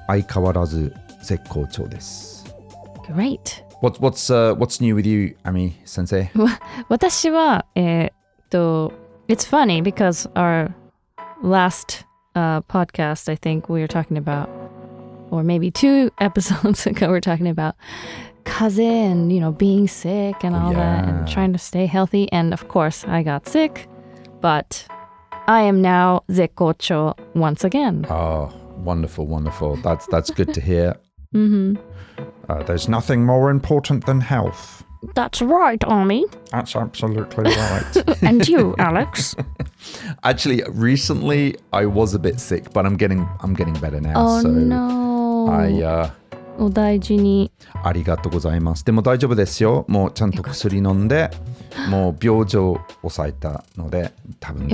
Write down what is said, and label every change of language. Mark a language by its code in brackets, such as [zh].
[ja] 相変わらず絶好調です。 [en] Great. What's new with you, Ami sensei? [ja] 私は、 [en] It's funny because our last podcast, I think we were talking about, or maybe two episodes ago, we were talking about kaze and, you know, being sick and all that, and trying to stay healthy. And of course, I got sick, but I am now zekkōchō once again. Oh, wonderful, wonderful. That's good to hear. Mm-hmm. There's nothing more important than health. That's right, Army. That's absolutely right. And you, Alex? Actually, recently I was a bit sick, but I'm getting better now. Oh, so no. [ja] お大事に。ありがとうございます。でも大丈夫ですよ。もうちゃんと薬飲んで、もう病状を抑えたので、多分大丈夫。